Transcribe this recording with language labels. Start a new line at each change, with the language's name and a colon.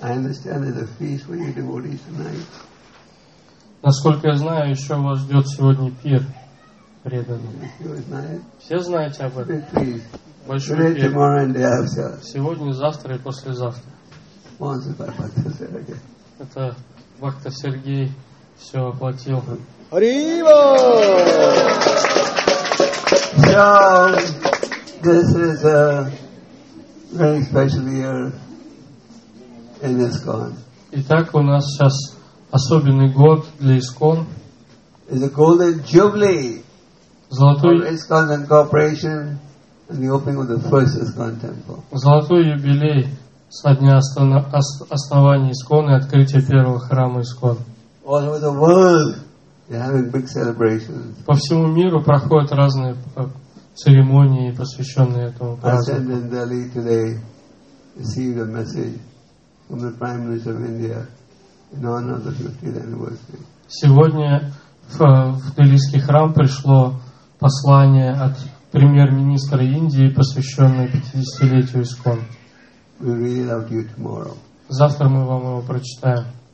English: I understand there's a feast for your devotees tonight.
Russian: Насколько я знаю, еще вас ждет сегодня пир преданным. Все знаете об этом. Большой пир. Сегодня, завтра и послезавтра. Это Бхакта Сергей. Все оплатил. Арива!
English: So, this is a very special year in ISKCON.
Russian: Итак, у нас сейчас особенный год для ISKCON.
English: It's a golden jubilee. Золотой ISKCON incorporation and the opening of the first ISKCON temple.
Russian: Золотой юбилей со дня основания ISKCON и открытия первого храма ISKCON.
English: All over the world, they're having big celebrations.
Russian: По всему миру проходят разные церемонии, посвященные этому празднику.
English: I sent in Delhi today, received a message from the Prime Minister of India in honor of the 50th anniversary.
Russian: Сегодня в Делийский храм пришло послание от премьер-министра Индии, посвященное 50-летию ISKCON.
English: We read it out to you tomorrow.
Russian: Завтра мы вам его прочитаем.